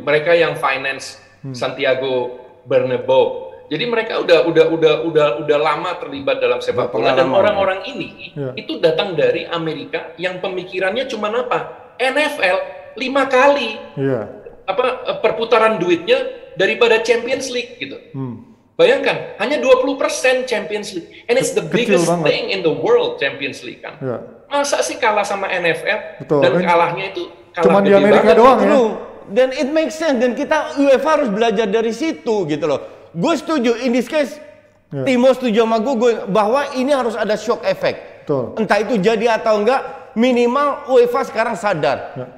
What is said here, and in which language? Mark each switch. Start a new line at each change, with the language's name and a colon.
Indonesian: Mereka yang finance Santiago Bernabeu. Jadi mereka udah lama terlibat dalam sepak bola. Dan orang-orang ini itu datang dari Amerika yang pemikirannya cuma apa? NFL 5 kali. Iya. apa perputaran duitnya daripada Champions League gitu. Bayangkan hanya 20% Champions League,
English: and it's the biggest thing in the world,
Indonesian: Champions League kan. Masa sih kalah sama NFL? Betul. Dan kalahnya itu kalah cuman di Amerika banget. Doang ya. Dan
English: it makes sense,
Indonesian: dan kita UEFA harus belajar dari situ gitu loh. Gue setuju,
English: in this case
Indonesian: Timo setuju sama gue bahwa ini harus ada shock effect. Betul. Entah itu jadi atau enggak, minimal UEFA sekarang sadar.